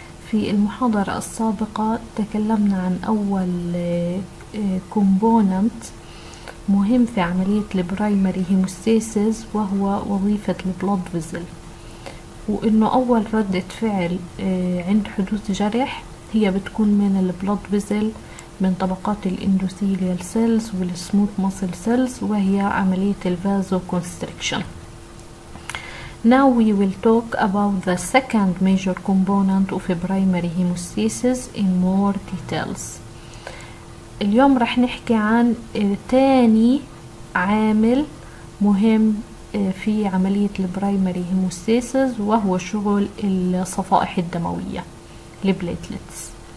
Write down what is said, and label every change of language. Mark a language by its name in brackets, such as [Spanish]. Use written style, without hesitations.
[Arabic] في المحاضرة السابقة تكلمنا عن أول كومبوننت مهم في عملية البرايمري هيموستيسيس، وهو وظيفة البلود فيزل، وإنه أول ردة فعل عند حدوث جرح هي بتكون من البلود فيزل من طبقات الاندوثيليال سيلز والسموت ماسل سيلز، وهي عملية الفازو كونستريكشن. [English] Now we will talk about the second major component of primary hemostasis in more details. [Arabic] اليوم رح نحكي عن تاني عامل مهم في عملية البرايمري هيموستاسيس، وهو شغل الصفائح الدموية البليتلتس.